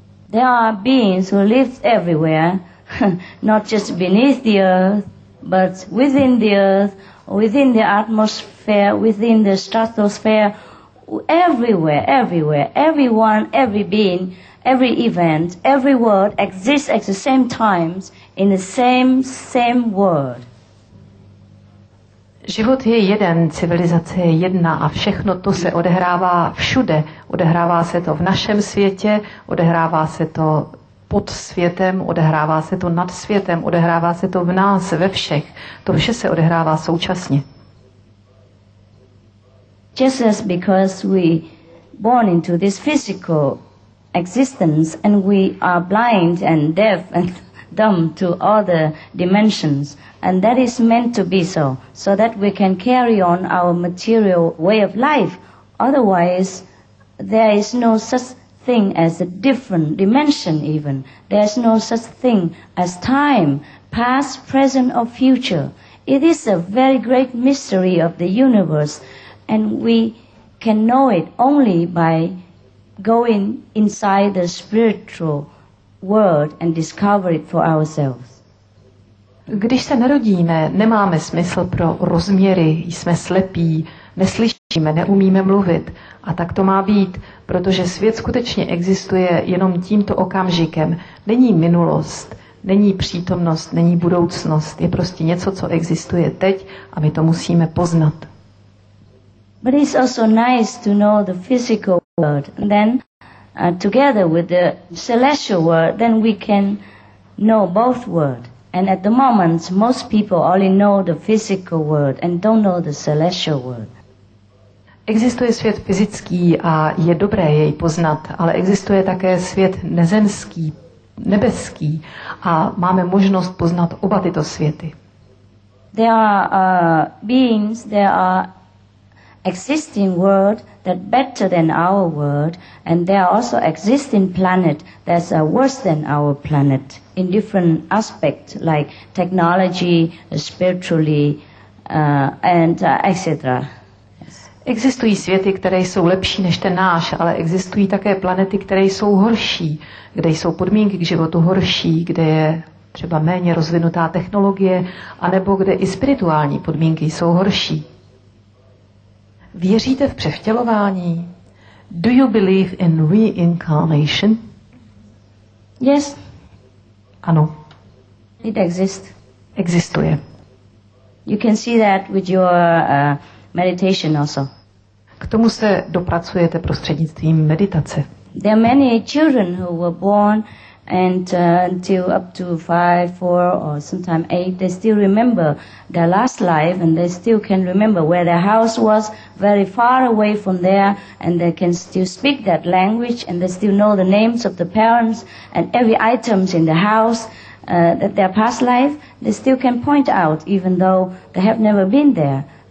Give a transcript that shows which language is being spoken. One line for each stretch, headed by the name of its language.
English: There are beings who live everywhere, not just beneath the earth, but within the earth, within the atmosphere, within the stratosphere, everywhere, everyone, every being, every event, every word exists at the same times in the same world.
Czech: Život je jeden, civilizace je jedna a všechno to se odehrává všude. Odehrává se to v našem světě, odehrává se to pod světem, odehrává se to nad světem, odehrává se to v nás, ve všech. To vše se odehrává současně.
English: Just as because we born into this physical existence and we are blind and deaf and dumb to all the dimensions, and that is meant to be so, so that we can carry on our material way of life. Otherwise, there is no such thing as a different dimension even. There is no such thing as time, past, present or future. It is a very great mystery of the universe, and we can know it only by going inside the spiritual world and discover it for ourselves.
Czech: Když se narodíme, nemáme smysl pro rozměry, jsme slepí, neslyšíme, neumíme mluvit. A tak to má být, protože svět skutečně existuje jenom tímto okamžikem. Není minulost, není přítomnost, není budoucnost. Je prostě něco, co existuje teď a my to musíme poznat.
English: But it's also nice to know the physical world. And then together with the celestial world, then we can know both world. And at the moment, most people only know the physical world and don't know the celestial world.
Czech: Existuje svět fyzický a je dobré jej poznat, ale existuje také svět nezemský, nebeský a máme možnost poznat oba tyto světy.
English: There are beings, there are existing world that better than our world, and there are also existing planet that's worse than our planet in different aspects like technology, spiritually, etc.
Czech: Existují světy, které jsou lepší než ten náš, ale existují také planety, které jsou horší, kde jsou podmínky k životu horší, kde je třeba méně rozvinutá technologie, anebo kde i spirituální podmínky jsou horší. Věříte v převtělování?
English: Do you believe in reincarnation? Yes.
Czech: Ano.
English: It exists.
Czech: Existuje.
English: You can see that with your meditation also.
Czech: K tomu se dopracujete prostřednictvím meditace.
English: There are many children who were born and until up to 5, 4 or sometimes 8, they still remember their last life and they still can remember where their house was, very far away from there, and they can still speak that language and they still know the names of the parents and every items in the house that their past life, they still can point out even though they have never been there.